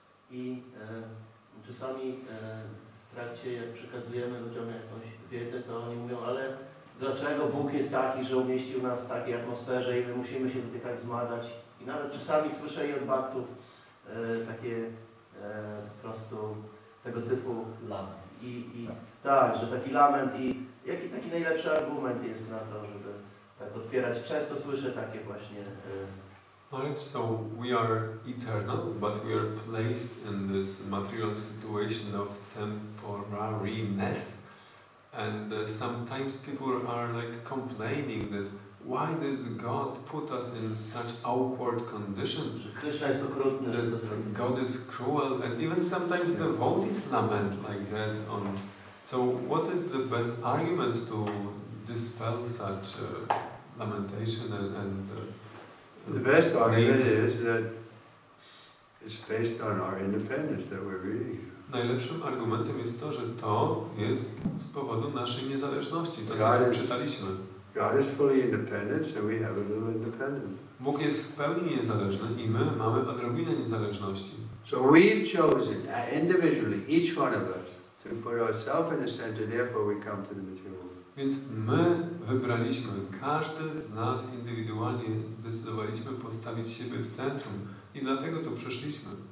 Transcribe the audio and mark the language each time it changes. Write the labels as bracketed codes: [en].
[pl] I czasami w trakcie, jak przekazujemy ludziom jakąś wiedzę, to oni mówią, ale dlaczego Bóg jest taki, że umieścił nas w takiej atmosferze i my musimy się tutaj tak zmagać? I nawet czasami słyszę od bhaktów takie po prostu tego typu lament. I tak, że taki lament i jaki taki najlepszy argument jest na to, żeby tak odpierać. Często słyszę takie właśnie. [en] Alright, so we are eternal, but we are placed in this material situation of temporariness. And sometimes people are like complaining that why did God put us in such awkward conditions? Krishna is [pl] okrutny. [en] That God is cruel, and even sometimes devotees lament like that. On so, what is the best argument to dispel such lamentation and the best argument is that it's based on our independence that we're reading. [pl] Najlepszym argumentem jest to, że to jest z powodu naszej niezależności, to co czytaliśmy. [en] God is fully independent, so we have a little independence. [pl] Bóg jest w pełni niezależny i my mamy odrobinę niezależności. [en] So we've chosen individually, each one of us, to put ourselves in the center, therefore we come to the material world. [pl] Więc my wybraliśmy, każdy z nas indywidualnie zdecydowaliśmy postawić siebie w centrum i dlatego tu przyszliśmy.